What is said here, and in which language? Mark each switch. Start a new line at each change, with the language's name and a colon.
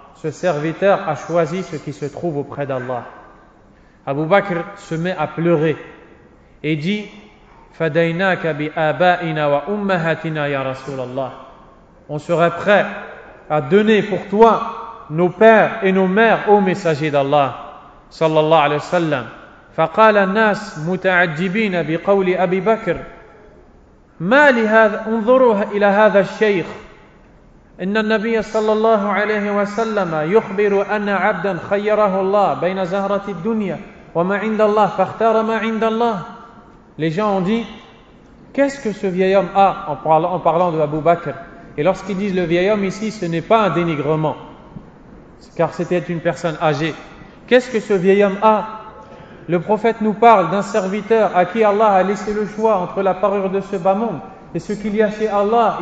French: Ce serviteur a choisi ce qui se trouve auprès d'Allah. » Abu Bakr se met à pleurer et dit, «
Arabic: Fadaynaka bi abaina wa ummahatina ya Rasulallah.
French: » On serait prêt à donner pour toi nos pères et nos mères au messager d'Allah, sallallahu alayhi wa sallam.
Arabic: « Faqala nas muta'ajibina bi qawli Abi Bakr. » ما لهذا انظروا إلى هذا الشيخ إن النبي صلى الله عليه وسلم يخبر أن عبدا خيره الله بين زهرة الدنيا وما عند الله فاختار ما عند الله.
French: Les gens ont dit, qu'est-ce que ce vieil homme a en parlant de Abu Bakr? Et lorsqu'ils disent le vieil homme ici, ce n'est pas un dénigrement, car c'était une personne âgée. Qu'est-ce que ce vieil homme a? Le prophète nous parle d'un serviteur à qui Allah a laissé le choix entre la parure de ce bas monde et ce qu'il y a chez Allah.